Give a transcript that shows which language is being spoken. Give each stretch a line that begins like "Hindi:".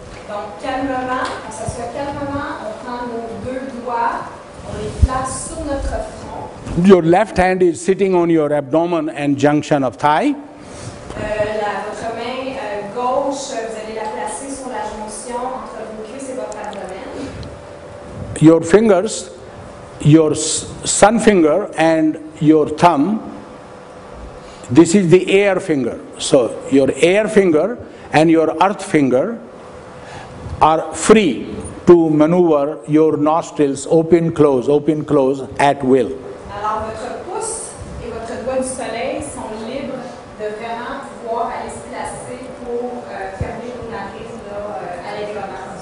French: Donc, calmement, on s'assoit calmement, on prend nos deux doigts, on les place sur notre front.
English: Your left hand is sitting on your abdomen and junction of thigh.
French: Votre main gauche, vous allez la placer sur la jonction entre vos cuisses et votre abdomen.
English: Your fingers, your sun finger and your thumb, this is the air finger. So, your air finger and your earth finger are free to maneuver your nostrils open, close at will.
French: Alors votre pouce et votre doigt du soleil sont libres de vraiment pouvoir aller se placer pour fermer vos narines à l'aéronautique.